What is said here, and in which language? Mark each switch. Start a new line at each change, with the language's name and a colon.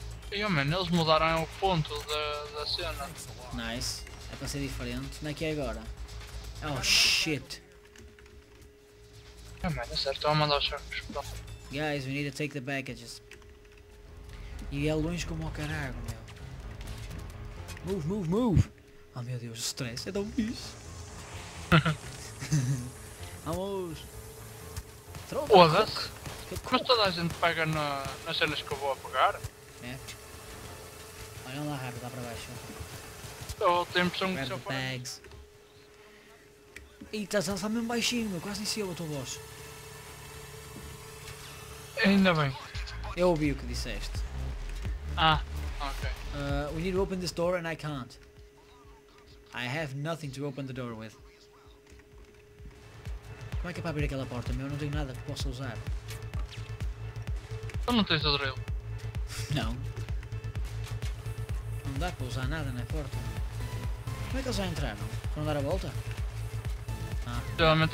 Portuguese: E hey, homem, eles mudaram o ponto da cena. Nice. É para ser diferente. Onde é que é agora?
English: Oh shit!
Portuguese: Ah, mano, é certo, estou a mandar os charcos.
English: Guys, we need to take the packages.
Portuguese: E é longe como ao caralho, meu.
English: Move, move, move!
Portuguese: Oh meu Deus, o stress é tão bicho. Vamos! Foda-se! Mas toda a gente pega nas cenas que eu vou apagar. É? Olhem lá rápido, lá para baixo. Oh, tem a impressão que se eu for... Ih, estás a falar mesmo baixinho, meu. Quase nem sei eu a tua voz. Ainda bem. Eu ouvi o que disseste. Ah, ok.
English: We need to open this door and I can't. I have nothing to open the door with.
Portuguese: Como é que é para abrir aquela porta? Meu, eu não tenho nada que possa usar. Tu não tens o drill? Não. Não dá para usar nada na porta. Como é que eles já entraram? Foram dar a volta? Ah. Realmente